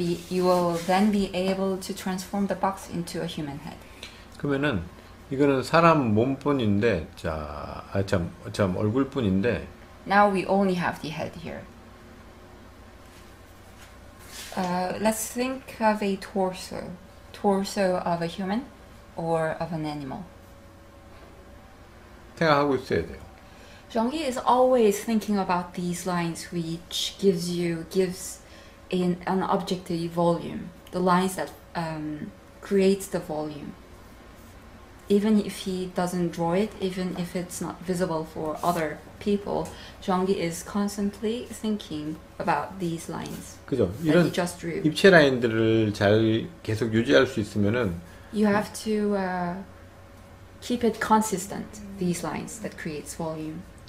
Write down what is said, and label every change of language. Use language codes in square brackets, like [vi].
[en] You will then be able to transform the box into a human head. [ko] 그러면은 이거는 사람 몸뿐인데 자, 아 참, 참 얼굴뿐인데 [en] Now we only have the head here. Let's think of a torso. Torso of a human or of an animal. [ko] 생각하고 있어야 돼요. [en] Zhonggi is always thinking about these lines which gives an objective volume. The lines that creates the volume. Even if he doesn't draw it, even if it's not visible for other people, Zhonggi is constantly thinking about these lines. [ko] 그죠? 이런 입체 라인들을 잘 계속 유지할 수 있으면은 [en] You have to keep it consistent, these lines that creates volume.